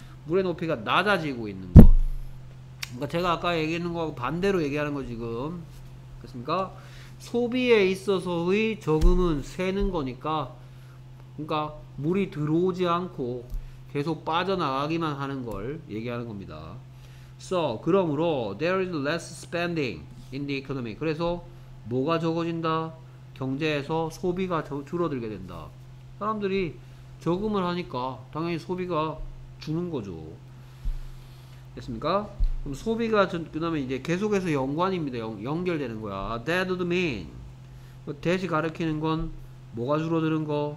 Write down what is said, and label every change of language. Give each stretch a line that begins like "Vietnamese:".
Korean: 물의 높이가 낮아지고 있는 거. 그러니까 제가 아까 얘기하는 거하고 반대로 얘기하는 거 지금. 그렇습니까? 소비에 있어서의 저금은 새는 거니까, 그러니까 물이 들어오지 않고 계속 빠져나가기만 하는 걸 얘기하는 겁니다.
English: So,
Korean: 그러므로
English: there is less spending in the economy.
Korean: 그래서 뭐가 적어진다? 경제에서 소비가 줄어들게 된다. 사람들이 저금을 하니까 당연히 소비가 주는 거죠. 됐습니까? 그럼 소비가 그다음에 이제 계속해서 연관입니다. 연결되는 거야.
English: That would mean
Korean: 대시 가리키는 건 뭐가 줄어드는 거?